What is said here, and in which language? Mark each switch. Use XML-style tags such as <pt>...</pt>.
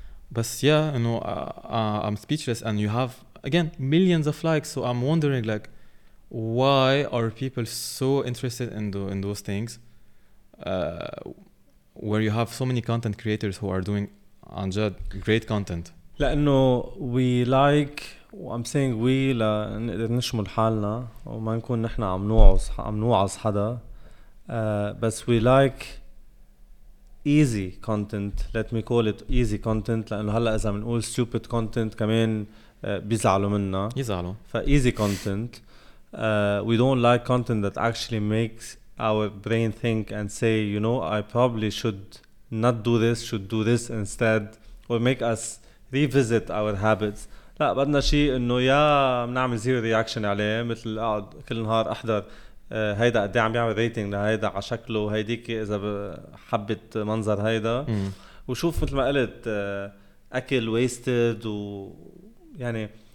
<en>But yeah, you know, I'm speechless, and you have again millions of likes. So I'm wondering, like, why are people so interested in the, in those things, where you have so many content creators who are doing Anjad great content?</en> <ar>لأنه we like, I'm saying we, لنقدر نشمل حالنا وما نكون نحن عم نوعظ حدا, بس we like easy content, let me call it easy content, لأنه هلأ إذا منقول stupid content كمان بيزعلوا منا. يزعلوا. فا easy content.</ar> <en>We don't like content that actually makes our brain think and say, you know, I probably should not do this, should do this instead, or make us revisit our habits.</en> <ar>لا بدنا شيء إنه يا منعمل zero reaction عليه, مثل أقعد كل نهار أحضر هيدا قد عم بيعمل rating لهيدا على شكله هيديك إذا حبت منظر هيدا وشوف مثل ما قلت أكل wasted و يعني</ar>